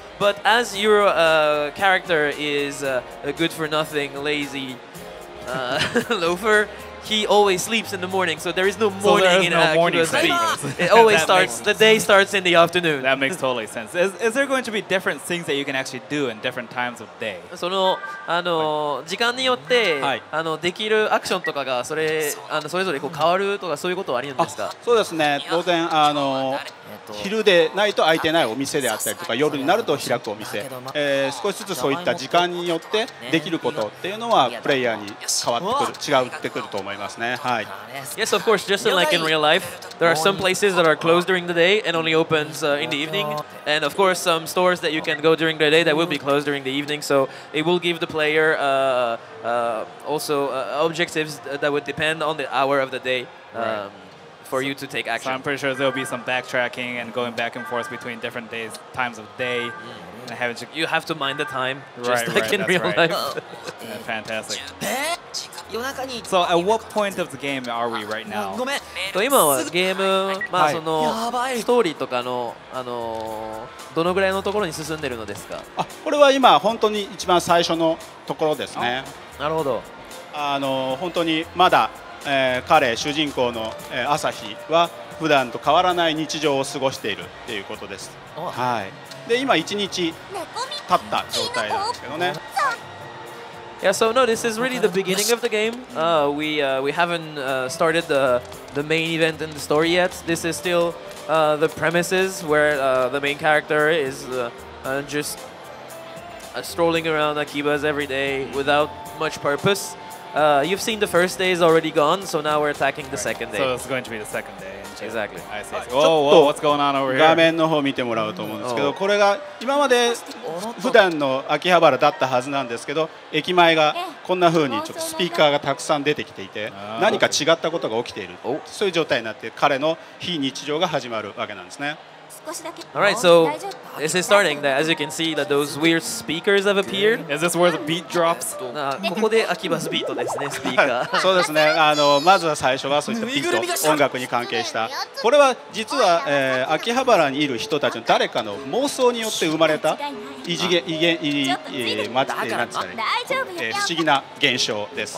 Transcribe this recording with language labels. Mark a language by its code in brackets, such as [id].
[en] But as your character is a good for nothing, lazy loafer, he always sleeps in the morning. So there is no morning in Akiba's beat. It always starts, the day starts in the afternoon. That makes totally sense. Is there going to be different things that you can actually do in different times of day? [ja] その時間によって、はい、できるアクションとかがそれ、それぞれこう変わるとかそういうことはありんですか？そうですね、当然昼でないと開いてないお店であったりとか、夜になると開くお店、少しずつそういった時間によってできることっていうのはプレイヤーに変わってくる、違ってくると思いますね。はい。 [en] Yes, of course, just like in real life, there are some places that are closed during the day and only opens in the evening. And of course, some stores that you can go during the day that will be closed during the evening, so it will give the player objectives that would depend on the hour of the day. For you to take action. So I'm pretty sure there'll be some backtracking and going back and forth between different days, times of day. Mm-hmm. You have to mind the time, just like in real life. Yeah, fantastic. So at what point of the game are we right now? [ja] 今はゲーム、そのストーリーとかの、どのぐらいのところに進んでるのですか？これは今本当に一番最初のところですね。なるほど。本当にまだ彼主人公の朝日は普段と変わらない日常を過ごしているっていうことです。はい。で今1日経った状態なんですけどね。 [en] Yeah, so no, this is really the beginning of the game. We haven't started the main event in the story yet. This is still the premises where the main character is just strolling around Akiba's every day without much purpose. You've seen the first day is already gone, so now we're attacking the second day. So it's going to be the second day. Exactly. I see. Whoa, whoa, what's going on over here? [ja] 画面の方見てもらうと思うんですけど、これが今まで普段の秋葉原だったはずなんですけど、駅前がこんな風にちょっとスピーカーがたくさん出てきていて、何か違ったことが起きている、そういう状態になって彼の非日常が始まるわけなんですね。 [en] All right, so this is starting. As you can see, that those weird speakers have appeared. Is this where the beat drops? [ja] ここで Akiba's beat ですね、スピーカー。そうですね。まず最初はそういったビート、音楽に関係した。これは実は、秋葉原にいる人たちの誰かの妄想によって生まれた異次元、異元、異次元、なんて言ったらいい、不思議な現象です。